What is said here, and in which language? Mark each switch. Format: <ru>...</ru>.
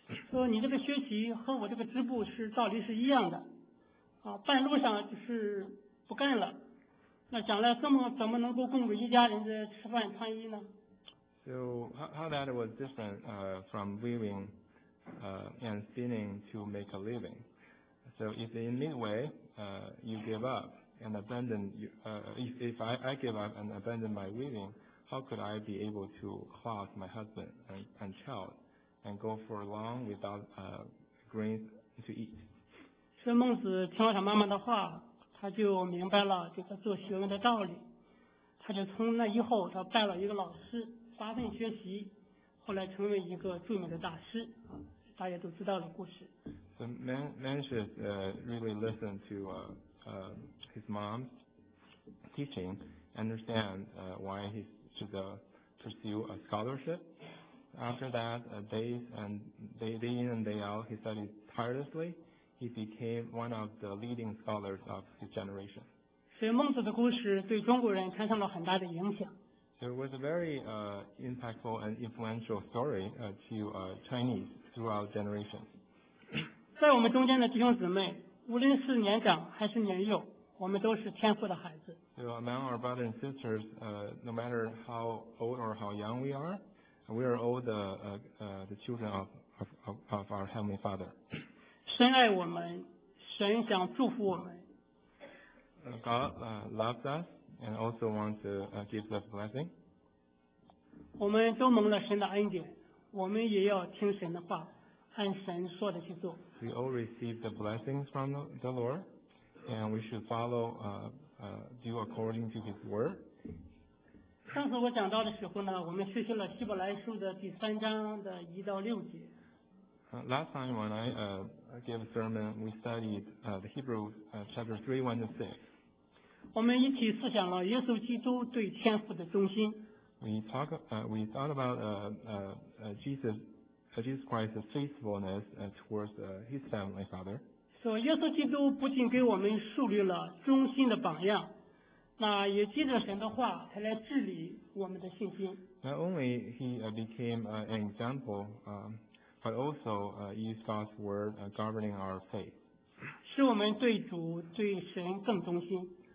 <zh>说你这个学习和我这个织布是道理是一样的，半路上就是不干了，那将来怎么能够供着一家人的吃饭穿衣呢？</zh> <en>So how that was different from weaving and spinning to make a living. So if in midway you give up,and abandon you, if I give up and abandon my weaving, how could I be able to cloth my husband and child and go for long without grains to eat?</en> <zh>所以孟子听了他妈妈的话，他就明白了这个做学问的道理，他就从那以后他拜了一个老师，发奋学习，后来成为一个著名的大师，大家都知道的故事。</zh> <en>So Mencius really listened to his mom's teaching, understand why he should pursue a scholarship. After that, day in and day out, he studied tirelessly. He became one of the leading scholars of his generation. So it was a very impactful and influential story to Chinese throughout generations.</en> <zh>在我们中间的弟兄姊妹，无论是年长还是年幼，我们都是天父的孩子。</zh> <en>So among our brothers and sisters, no matter how old or how young we are all the children of our Heavenly Father.</en> <zh>深爱我们，神想祝福我们。</zh> <en>God loves us and also wants to give us blessing.</en> <zh>我们都蒙了神的恩典，我们也要听神的话，按神说的去做。</zh> <en>We all receive the blessings from the Lord, and we should follow do according to His word.</en> <zh>上次我讲到的时候呢，我们学习了希伯来书的第三章的一到六节。</zh> <en>Last time when I gave a sermon, we studied the Hebrew chapter 3:1-6.</en> <zh>我们一起思想了耶稣基督对天父的忠心。</zh> <en>We thought about Jesus Christ's faithfulness towards His Heavenly Father.</en> <zh>说耶稣基督不仅给我们树立了忠心的榜样，那也借着神的话才来治理我们的信心。</zh> <en>Not only He became an example, but also used God's word governing our faith.</en> <zh>使我们对主对神更忠心。</zh>